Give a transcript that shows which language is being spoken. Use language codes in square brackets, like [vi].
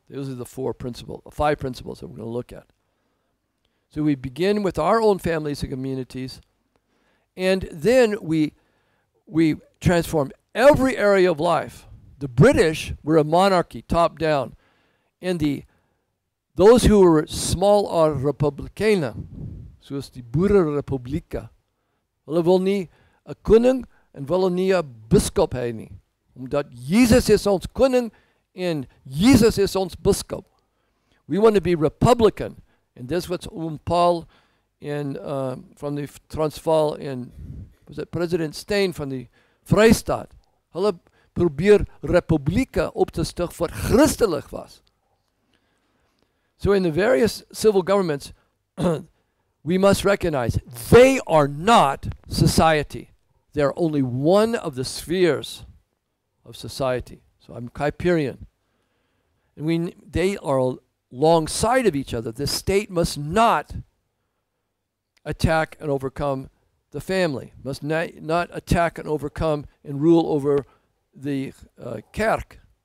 [en] Those are the five principles that we're going to look at. So we begin with our own families and communities, and then we transform every area of life. The British were a monarchy, top down, and those who were small are [af] republikeine, soos die boerenrepublieke. Hulle wil nie 'n koning en wil nie 'n biskop hê nie, omdat Jesus is ons koning en Jesus is ons biskop. [en] We want to be republican. And this is what Paul from the Transvaal and was it President Steyn from the Vrystaat? [af] Hulle probeer republieke op te stig wat christelijk was. [en] So in the various civil governments, we must recognize they are not society. They are only one of the spheres of society. So I'm Kuiperian. And they are alongside of each other. The state must not attack and overcome the family, must not attack and overcome and rule over the kerk.